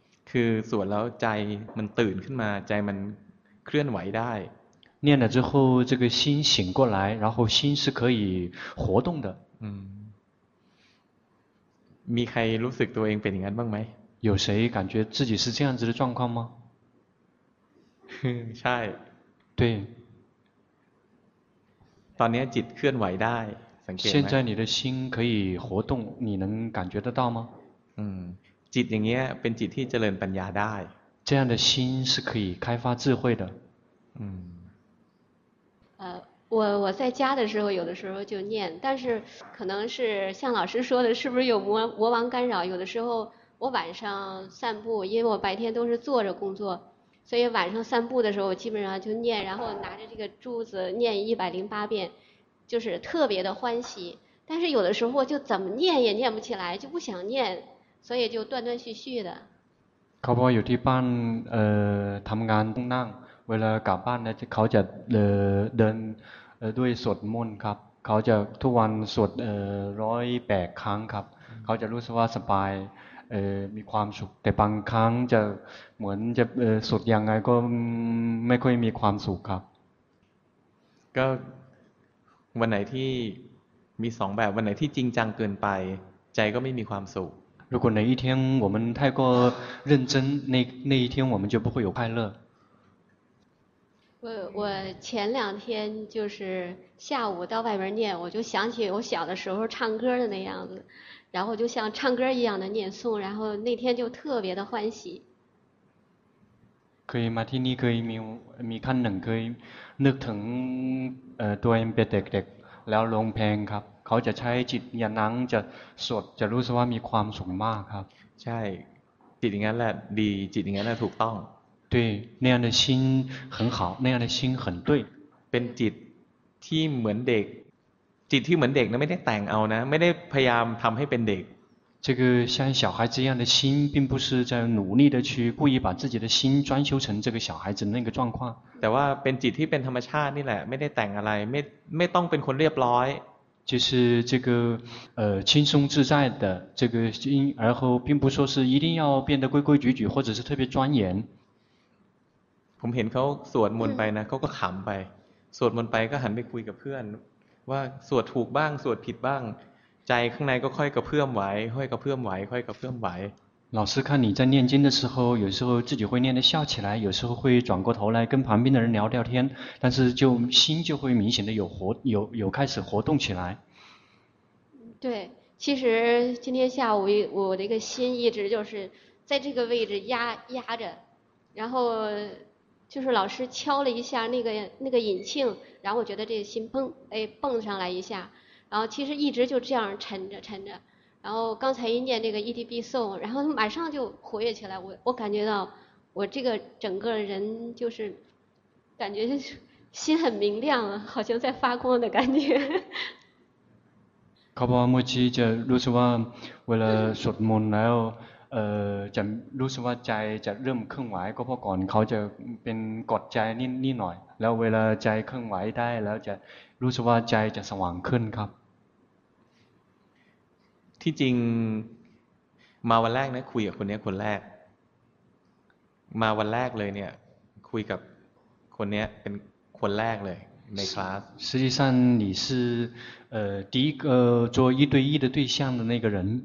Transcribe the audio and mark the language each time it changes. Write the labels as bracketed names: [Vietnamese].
[Thai] คือสวดแล้วใจมันตื่นขึ้นมาใจมันเคลื่อนไหวได้ [Chinese] 念了之后这个心醒过来然后心是可以活动的 [Thai] มีใครรู้สึกตัวเองเป็นอย่างนั้นบ้างไหม [Chinese] 有谁感觉自己是这样子的状况吗 [Thai] ใช่ [Chinese] 对 [Thai] ตอนนี้จิตเคลื่อนไหวได้สังเกตไหม [Chinese] 现在你的心可以活动你能感觉得到吗 [Thai] จิตอย่างเงี้ยเป็นจิตที่เจริญปัญญาได้ [Chinese] 这样的心是可以开发智慧的我在家的时候有的时候就念但是可能是像老师说的是不是有 魔王干扰有的时候我晚上散步因为我白天都是坐着工作所以晚上散步的时候我基本上就念然后拿着这个柱子念108遍就是特别的欢喜但是有的时候就怎么念也念不起来就不想念所以就断断续续的 [Thai] เขาบอกอยู่ที่บ้านทำงานต้องนั่งเวลากลับบ้านเนี่ยเขาจะเดินด้วยสวดมนต์ครับเขาจะทุกวันสวด108 ครั้งครับเขาจะรู้สึกว่าสบายมีความสุขแต่บางครั้งจะเหมือนจะสวดยังไงก็ไม่ค่อยมีความสุขครับ ก็วันไหนที่มี2 แบบวันไหนที่จริงจังเกินไปใจก็ไม่มีความสุข [Chinese] 如果哪一天我们太过认真，那一天我们就不会有快乐。我前两天就是下午到外面念，我就想起我小的时候唱歌的那样子，然后就像唱歌一样的念诵，然后那天就特别的欢喜。可以吗？ [Thai] ที่นี่เคยมีขั้นหนึ่งเคยนึกถึงตัวเองเป็นเด็กๆแล้วร้องเพลงครับเขาจะใช้จิตอย่างนั้นจะสดจะรู้สึกว่ามีความสุขมากครับ ใช่จิตอย่างนั้นแหละดีจิตอย่างนั้นแหละถูกต้อง [Chinese] 对那样的心很好那样的心很对 [Thai] เป็นจิตที่เหมือนเด็กจิตที่เหมือนเด็กนะไม่ได้แต่งเอานะไม่ได้พยายามทำให้เป็นเด็ก [Chinese] 这个像小孩子一样的心并不是在努力的去故意把自己的心装修成这个小孩子那个状况 [Thai] แต่ว่าเป็นจิตที่เป็นธรรมชาตินี่แหละไม่ได้แต่งอะไรไม่ต้องเป็นคนเรียบร้อย [Chinese] 就是这个轻松自在的这个心而后并不说是一定要变得规规矩矩或者是特别庄严 [Thai] ผมเห็นเขาสวดมนต์ไปนะเขาก็ขำไปสวดมนต์ไปก็หันไปคุยกับเพื่อนว่าสวดถูกบ้างสวดผิดบ้างใจข้างในก็ค่อยกระเพื่อมไหวค่อยกระเพื่อมไหวค่อยกระเพื่อมไหว [Chinese] 老师看你在念经的时候有时候自己会念得笑起来有时候会转过头来跟旁边的人聊天但是就心就会明显的有开始活动起来对其实今天下午我的一个心一直就是在这个位置压着然后就是老师敲了一下那个引磬然后我觉得这个心砰哎蹦上来一下然后其实一直就这样沉着然后刚才一念这个 EDB Song 然后马上就活跃起来我感觉到我这个整个人就是感觉心很明亮好像在发光的感觉 [Thai] ขอบคุณมากที่จะรู้สึกว่าเวลาสวดมนต์แล้วจะรู้สึกว่าใจจะเริ่มเคลื่อนไหวก็เพราะก่อนเขาจะเป็นกดใจนิดหน่อยแล้วเวลาใจเคลื่อนไหวได้แล้วจะรู้สึกว่าใจจะสว่างขึ้นครับ ที่จริงมาวันแรกนะคุยกับคนนี้คนแรกมาวันแรกเลยเนี่ยคุยกับคนนี้เป็นคนแรกเลยในคลาส [Chinese] 实际上你是第一个做一对一的对象的那个人